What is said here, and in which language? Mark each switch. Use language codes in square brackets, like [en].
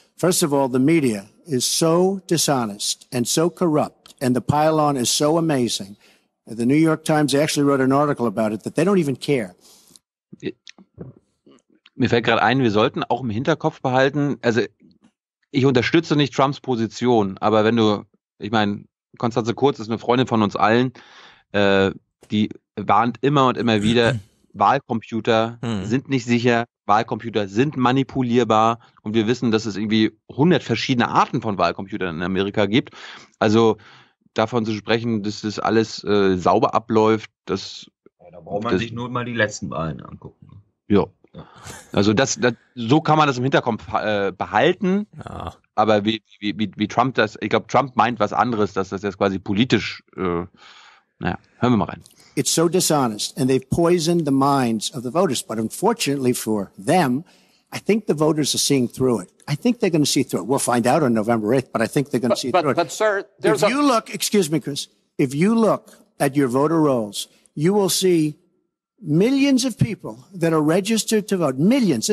[en] First of all, the media is so dishonest and so corrupt, and the pile-on is so amazing. The New York Times actually wrote an article about it, that they don't even care. [de] Mir fällt gerade ein, wir sollten auch im Hinterkopf behalten, also ich unterstütze nicht Trumps Position, aber wenn du, ich meine, Konstanze Kurz ist eine Freundin von uns allen, die warnt immer und immer wieder, Wahlcomputer sind nicht sicher, Wahlcomputer sind manipulierbar und wir wissen, dass es irgendwie 100 verschiedene Arten von Wahlcomputern in Amerika gibt. Also davon zu sprechen, dass das alles sauber abläuft, das... Ja, da braucht man das, sich nur mal die letzten Wahlen angucken. Ja. Also das so kann man das im Hinterkopf behalten, ja. Aber wie Trump das, ich glaube, Trump meint was anderes, dass das jetzt quasi politisch, naja, hören wir mal rein. [en] It's so dishonest and they've poisoned the minds of the voters, but unfortunately for them, I think the voters are seeing through it. I think they're going to see through it. We'll find out on November 8th, but I think they're going to see through it. But sir, there's if you look at your voter rolls, you will see millions of people that are registered to vote, millions.